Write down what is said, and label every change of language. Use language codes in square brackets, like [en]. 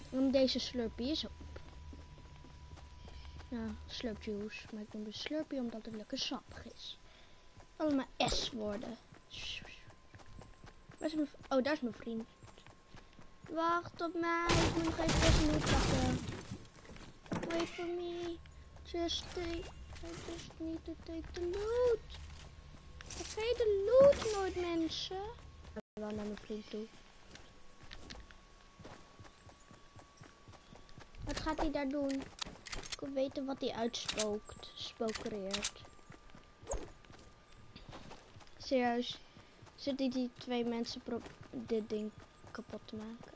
[nl] Deze slurpie is op. Ja, slurpjuice. Maar ik noem de slurpie omdat het lekker sappig is. Allemaal S worden. Waar is mijn Oh, daar is mijn vriend. Wacht op mij. Ik moet nog even S moeten pakken. [en] Wait for me. Just take. I just need to take the loot. [nl] Vergeet de loot nooit, mensen. Ik ga wel naar mijn vriend toe. Wat gaat hij daar doen? Ik wil weten wat hij uitspookt. Spookereert. Serieus. Zitten die twee mensen dit ding kapot te maken?